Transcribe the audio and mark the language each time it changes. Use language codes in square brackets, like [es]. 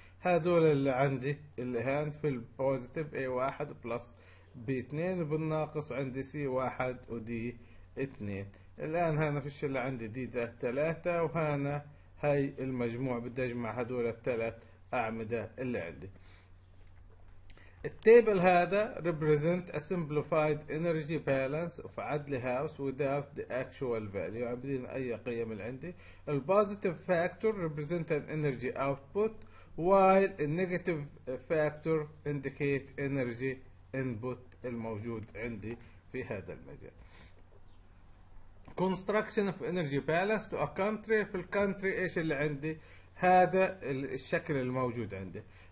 [ar] هذول اللي عندي اللي هان في البوزيتيف اي واحد بلس بي اثنين، بالناقص عندي سي واحد ودي اثنين. الان هنا فيش اللي عندي دي ده ثلاثة، وهنا هاي المجموع بدي اجمع هذول الثلاث اعمدة اللي عندي. التابل هذا [en] represent a simplified energy balance of Adley House without the actual value، [ar] يعني بدين أي قيم اللي عندي. [en] The positive factor represent an energy output while the negative factor indicate energy input [ar] الموجود عندي في هذا المجال. [en] Construction of energy balance to a country، [ar] في الكونتري إيش اللي عندي؟ هذا الشكل الموجود عندي.